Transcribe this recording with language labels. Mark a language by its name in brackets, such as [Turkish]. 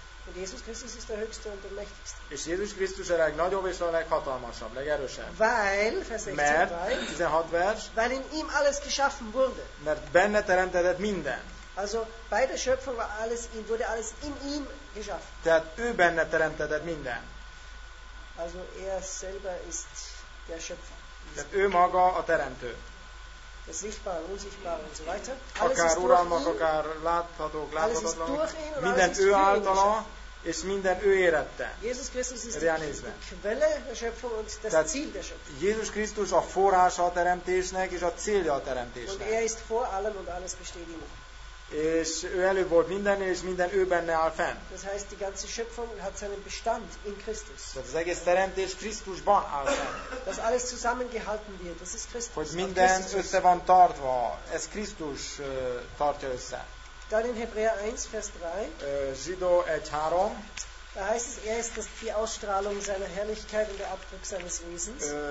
[German] Und Jesus Christus ist der Höchste und der Mächtigste. [Hungarian] És Jézus Krisztus a legnagyobb és a leghatalmasabb, legerősebb. [German] Weil, Vers [Hungarian] 16 vers, [German] weil in ihm alles geschaffen wurde. [Hungarian] Mert benne teremtetett minden. [German] Also bei der Schöpfung war alles, wurde alles in ihm geschaffen. [Hungarian] Tehát ő benne teremtetett minden. [German] Also er selber ist der Schöpfer. [Hungarian] Tehát ő maga a teremtő. [German] Das Sichtbare, Unsichtbare und so weiter. [Hungarian] Alles akár uralmak, akár láthatók, láthatatlanok. Minden ő általa, és minden ő érette. [German] Jézus Krisztus ist die Quelle der Schöpfung und das Ziel der Schöpfung. [Hungarian] Jézus Krisztus a forrása a teremtésnek, és a célja a teremtésnek. [German] Und er ist vor allem und alles besteht in ihm. [Hungarian] És ő előbb volt mindennél, és minden ő benne áll fenn. [German] Das heißt, die ganze Schöpfung hat seinen Bestand in Christus. [Hungarian] Tehát az egész teremtés Krisztusban áll fenn. [German] Das alles zusammengehalten wird, das ist Christus. [Hungarian] Hogy minden össze van tartva, ez Krisztus tartja össze. [German] Dann in Hebräer 1, Vers 3. [Hungarian] Zsidó 1:3. [German] Da heißt es, er ist die Ausstrahlung seiner Herrlichkeit und der Abdruck seines Wesens.